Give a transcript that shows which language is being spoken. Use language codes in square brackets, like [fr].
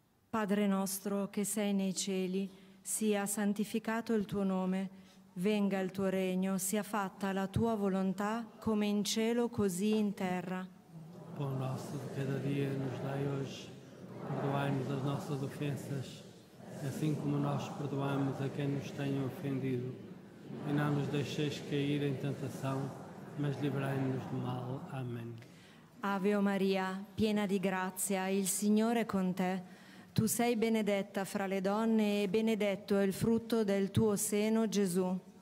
[it] Padre nostro che sei nei cieli, sia santificato il tuo nome, venga il tuo regno, sia fatta la tua volontà come in cielo così in terra. [pt] Pão nosso de cada dia nos dai hoje, perdoai-nos as nossas ofensas, assim como nós perdoamos a quem nos tenha ofendido. E não nos deixeis cair em tentação, mas livrai-nos do mal. Amém. [it] Ave Maria, piena di grazia, il Signore è con te. Tu sei benedetta fra le donne e benedetto è il frutto del tuo seno, Gesù.